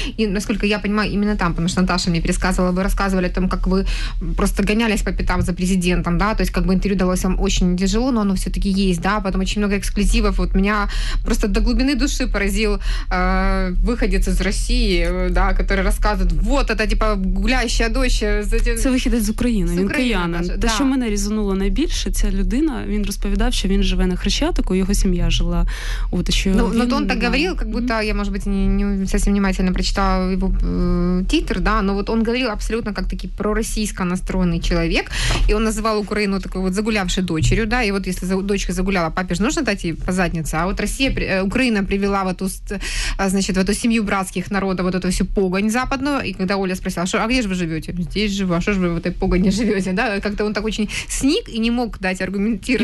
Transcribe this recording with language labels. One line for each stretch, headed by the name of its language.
Russian: И, насколько я понимаю, именно там, потому что Наташа мне пересказывала, вы рассказывали о том, как вы просто гонялись по пятам за президентом, да, то есть как бы интервью далось вам очень тяжело, но оно все-таки есть, да, потом очень много эксклюзивов. Вот меня просто до глубины души поразил выходец из России, да, который рассказывает, вот это типа гуляющая дочь.
Ukrainian: Це вихідець з України, він киянин. Те, що мене різонуло найбільше, ця людина, він розповідав, що він живе на Хрещатику, його сім'я жила. От, що ну, він, то він так говорив, як будто я, може бути, не зовсім внимательно прочитала його титр, да, но вот он говорив абсолютно як такий проросійсько настроєний чоловік, і він називав Україну такою вот загулявшою дочерю, да, і от якщо дочка загуляла, папі ж можна дати їй по задниці, а от Росія, Україна привела в ту сім'ю братських народів, вот эту всю погань западну, і коли Оля спросила,
Russian: а где ж
Ukrainian: ви живете?
Russian: Здесь живу,
Ukrainian: а що ж ви
Russian: в этой погоні живете? Да? Как-то он так очень сник и не мог дать аргументированный.